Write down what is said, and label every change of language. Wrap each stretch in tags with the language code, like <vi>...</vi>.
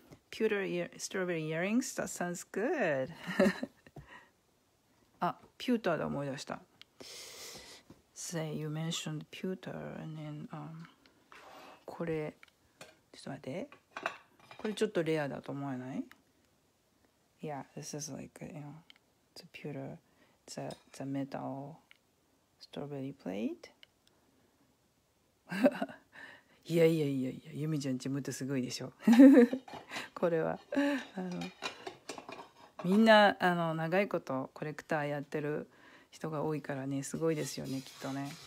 <en>Pewter strawberry earrings, that sounds good.</en> <ja>あ、ピューターで思い出した。</ja> <en>Say you mentioned pewter and then,</en> <ja>これ、ちょっと待って。これちょっとレアだと思わない？</ja> <en>Yeah, this is like, you know,It's a pewter, it's a metal strawberry plate.</en> <ja>いやいやいやいや、ユミちゃん地元すごいでしょ。これはみんな長いことコレクターやってる人が多いからね、すごいですよね、きっとね。</ja>